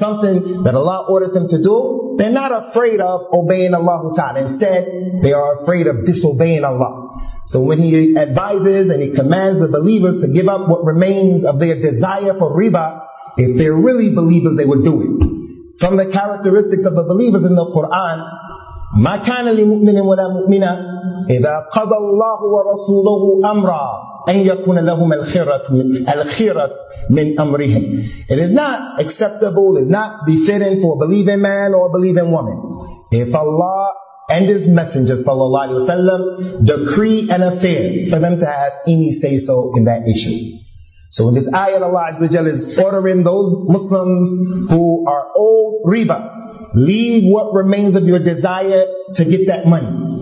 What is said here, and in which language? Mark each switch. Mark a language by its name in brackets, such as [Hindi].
[English] Something that Allah ordered them to do, they're not afraid of obeying Allah ta'ala. Instead, they are afraid of disobeying Allah. So when He advises and He commands the believers to give up what remains of their desire for riba, if they're really believers, they would do it. From the characteristics of the believers in the Quran, [Arabic] مَا كَانَ لِمُؤْمِنٍ وَلَا مُؤْمِنًا إِذَا قَضَى اللَّهُ وَرَسُولُهُ أَمْرًا أَنْ يَكُونَ لَهُمْ الْخِيرَةُ مِنْ أَمْرِهِمْ. [English] It is not acceptable, it is not befitting for a believing man or a believing woman, if Allah and His Messenger sallallahu alaihi wasallam decree an affair, for them to have any say-so in that issue. So in this ayat, Allah is ordering those Muslims who are owed riba, leave what remains of your desire to get that money.